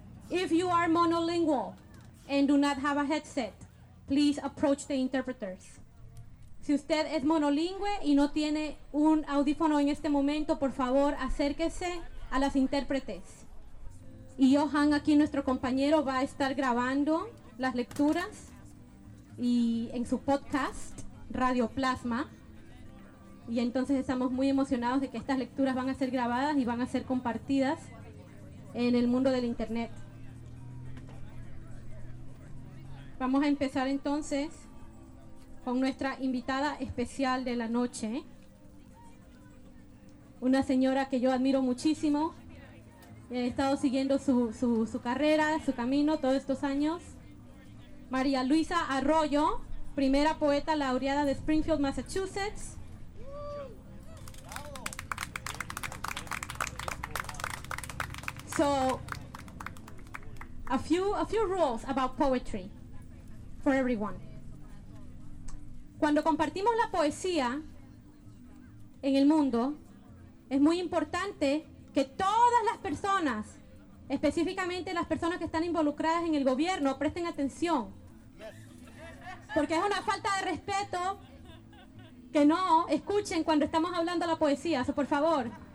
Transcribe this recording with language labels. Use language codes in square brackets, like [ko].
[en] If you are monolingual and do not have a headset, please approach the interpreters. [es] Si usted es monolingüe y no tiene un audífono en este momento, por favor, acérquese a las intérpretes. Y Johan, aquí nuestro compañero, va a estar grabando las lecturas y en su podcast, Radioplasma. Y entonces estamos muy emocionados de que estas lecturas van a ser grabadas y van a ser compartidas en el mundo del internet. Vamos a empezar entonces con nuestra invitada especial de la noche. Una señora que yo admiro muchísimo. He estado siguiendo su carrera, su camino todos estos años. María Luisa Arroyo, primera poeta laureada de Springfield, Massachusetts. [en] So, a few rules about poetry for everyone. [es] Cuando compartimos la poesía en el mundo, es muy importante que todas las personas, específicamente las personas que están involucradas en el gobierno, presten atención. Porque es una falta de respeto que no escuchen cuando estamos hablando de la poesía. So, por favor.